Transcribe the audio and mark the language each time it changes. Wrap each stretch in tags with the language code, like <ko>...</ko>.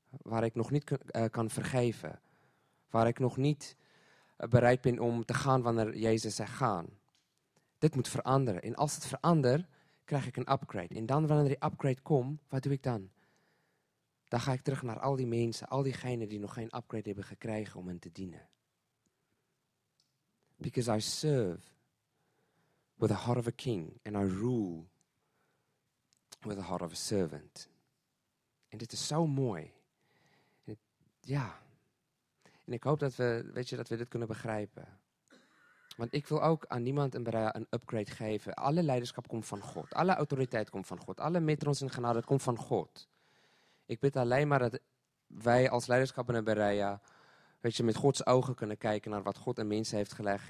<nl>Waar ik nog niet kan vergeven. Waar ik nog niet bereid ben om te gaan wanneer Jezus zegt gaan. Dit moet veranderen. En als het verandert, krijg ik een upgrade. En dan wanneer die upgrade komt, wat doe ik dan? Dan ga ik terug naar al die mensen, al diegenen die nog geen upgrade hebben gekregen om hen te dienen.</nl> <en>Because I serve with the heart of a king and I rule with the heart of a servant.</en> <nl>En dit is zo mooi. En ik hoop dat we, weet je, dat we dit kunnen begrijpen. Want ik wil ook aan niemand een upgrade geven. Alle leiderschap komt van God. Alle autoriteit komt van God. Alle metrons en genade komt van God. Ik bid alleen maar dat wij als leiderschap in Berea, weet je, met Gods ogen kunnen kijken naar wat God in mensen heeft gelegd.</nl>